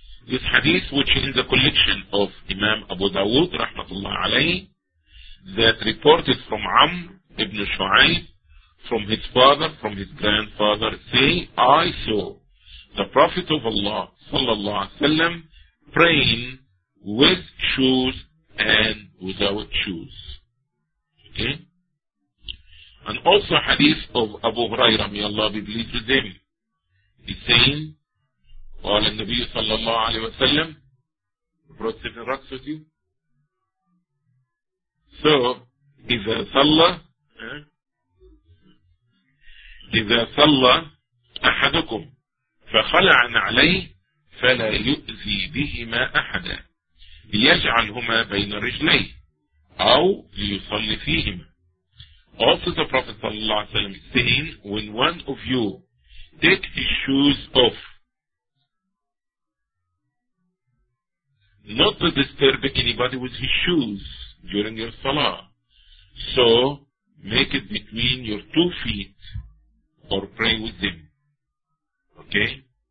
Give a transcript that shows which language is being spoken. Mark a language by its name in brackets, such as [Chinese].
[English] This hadith, which is in the collection of Imam Abu Dawud, rahmatullah alayhi, that reported from Amr ibn Shu'ayb, from his father, from his grandfather, say, I saw the Prophet of Allah, sallallahu alaihi wasallam, praying with shoes and without shoes. Okay? And also hadith of Abu Hurairah, may Allah be pleased with him. He's saying, while the Nabi sallallahu alaihi wasallam brought seven rocks with you. [Arabic] So, إذا صلى إذا صلى أحدكم فخلع عليه فلا يؤذي بهما أحدا ليجعلهما بين رجليه أو ليصلي فيهما. [English] Also the Prophet [Arabic] صلى الله عليه وسلم [English] saying, when one of you take his shoes off, not to disturb anybody with his shoes during your salah, so make it between your two feet or pray with them. Okay?